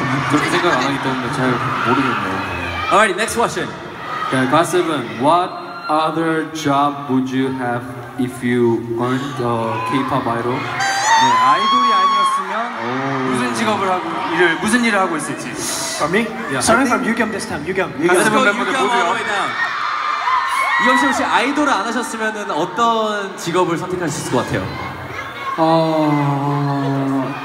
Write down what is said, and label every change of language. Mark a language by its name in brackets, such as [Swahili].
[Korean] 그렇게 생각 안 하기 때문에 잘 모르겠네요. [English] Alrighty, next question. Okay, GOT7, what other job would you have if you weren't the K-pop idol? [Korean] 네, 아이돌이 아니었으면 무슨 직업을 하고 일을 무슨 일을 하고 있을지. [English] From me? Yeah. Starting from Yugyeom this time. Let's go Yugyeom all the way down. [Korean] 이경씨 혹시 아이돌을 안 하셨으면은 어떤 직업을 선택하실 것 같아요?